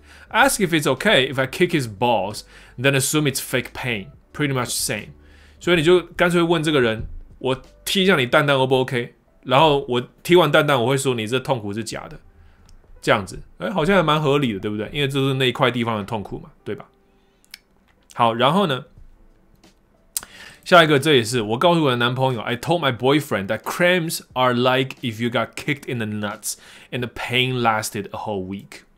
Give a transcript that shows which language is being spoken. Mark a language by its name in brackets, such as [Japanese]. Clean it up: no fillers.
[English] Ask if it's okay if I kick his balls, then assume it's fake pain. Pretty much same. [Chinese] 所以你就干脆问这个人，我踢一下你蛋蛋 O 不 OK？然后我踢完蛋蛋，我会说你这痛苦是假的。这样子，好像还蛮合理的，对不对？因为这是那一块地方的痛苦嘛，对吧？好，然后呢？下一个，这也是我告诉我的男朋友 [English] ，I told my boyfriend that cramps are like if you got kicked in the nuts and the pain lasted a whole week.